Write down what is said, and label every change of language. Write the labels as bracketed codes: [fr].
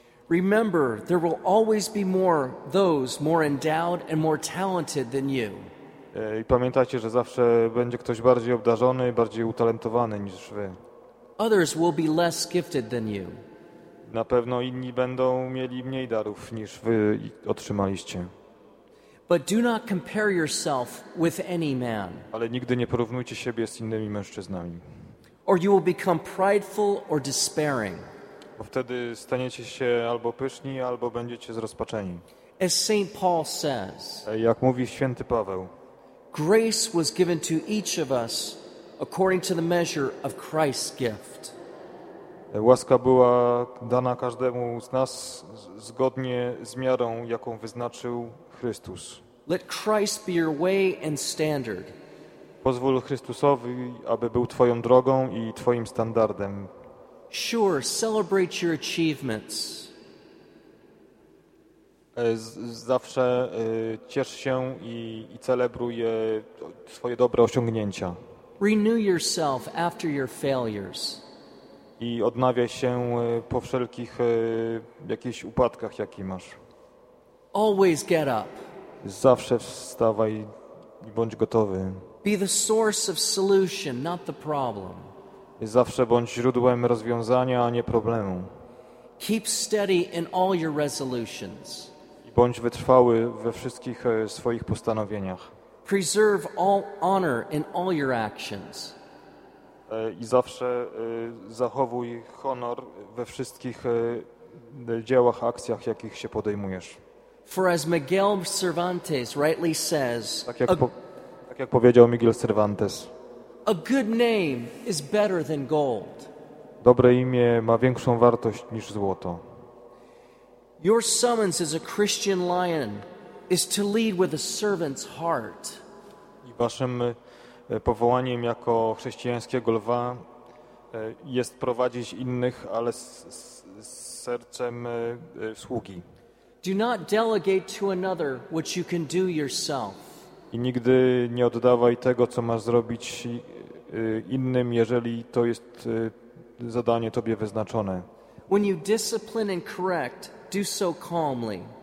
[en] Remember, there will always be more those more endowed and more talented than you. [pl] I pamiętajcie, że zawsze będzie ktoś bardziej obdarzony, bardziej utalentowany niż wy. [en] Others will be less gifted than you. [pl] Na pewno inni będą mieli mniej darów niż wy otrzymaliście. [en] But do not compare yourself with any man. [pl] Ale nigdy nie porównujcie siebie z innymi mężczyznami. [en] Or you will become prideful or despairing. [pl] Bo wtedy staniecie się albo pyszni, albo będziecie zrozpaczeni. [en] As Saint Paul says, [pl] jak mówi Święty Paweł, [en] grace was given to each of us according to the measure of Christ's gift. [pl] Łaska była dana każdemu z nas zgodnie z miarą, jaką wyznaczył Chrystus. [en] Let Christ be your way and standard. [pl] Pozwól Chrystusowi, aby był twoją drogą i twoim standardem. [en] Sure, celebrate your achievements. [pl] Zawsze ciesz się i celebruj swoje dobre osiągnięcia. [en] Renew yourself after your failures. [pl] I odnawiaj się po wszelkich jakichś upadkach, jakie masz. [en] Always get up. [pl] Zawsze wstawaj i bądź gotowy. [en] Be the source of solution, not the problem. [pl] Zawsze bądź źródłem rozwiązania, a nie problemu. [en] Keep steady in all your resolutions. [pl] Bądź wytrwały we wszystkich swoich postanowieniach. [en] Preserve all honor in all your actions. [pl] I zawsze zachowuj honor we wszystkich dziełach, akcjach, jakich się podejmujesz. [en] For as Miguel Cervantes rightly says, [pl] tak jak powiedział Miguel Cervantes, [en] a good name is better than gold. [pl] Dobre imię ma większą wartość niż złoto. [en] Your summons as a Christian lion is to lead with a servant's heart. [pl] I waszym powołaniem jako chrześcijańskiego lwa jest prowadzić innych, ale z sercem sługi. [en] Do not delegate to another what you can do yourself. [pl] I nigdy nie oddawaj tego, co masz zrobić innym, jeżeli to jest zadanie tobie wyznaczone. [en] When you discipline and correct, do so calmly.